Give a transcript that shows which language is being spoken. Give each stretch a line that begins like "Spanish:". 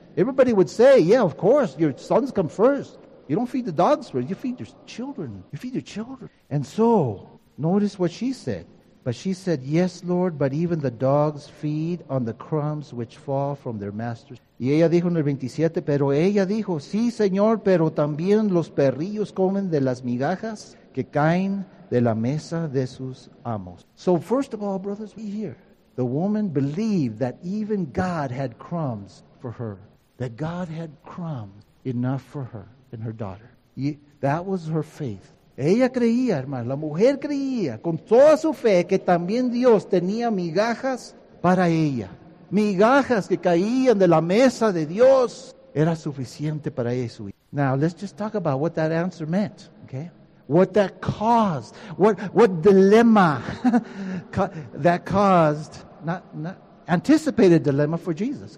English: Everybody would say, yeah, of course, your sons come first. You don't feed the dogs, but you feed your children. You feed your children. And so, notice what she said. But she said, "Yes, Lord, but even the dogs feed on the crumbs which fall from their masters."
Spanish: Y ella dijo en el 27, pero ella dijo, "Sí, Señor, pero también los perrillos comen de las migajas que caen de la mesa de sus amos."
English: So first of all, brothers, we hear the woman believed that even God had crumbs for her, that God had crumbs enough for her and her daughter. That was her faith.
Spanish: Ella creía, hermano, la mujer creía con toda su fe que también Dios tenía migajas para ella. Migajas que caían de la mesa de Dios. Era suficiente para eso.
English: Now, let's just talk about what that answer meant, okay? What that caused, what dilemma that caused, not anticipated dilemma for Jesus.